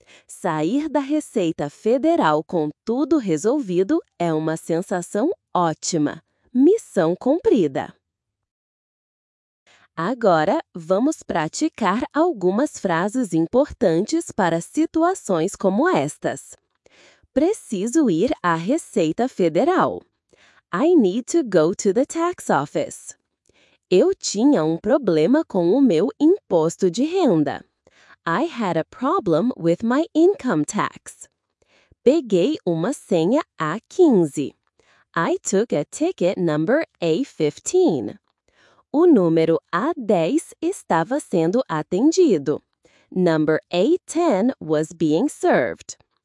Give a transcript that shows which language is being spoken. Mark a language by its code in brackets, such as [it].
[pt] Sair da Receita Federal com tudo resolvido é uma sensação ótima. Missão cumprida! Agora, vamos praticar algumas frases importantes para situações como estas. Preciso ir à Receita Federal. [en] I need to go to the tax office. [pt] Eu tinha um problema com o meu imposto de renda. [en] I had a problem with my income tax. [pt] Peguei uma senha A15. [en] I took a ticket number A15. [pt] O número A10 estava sendo atendido. [en] Number A10 was being served.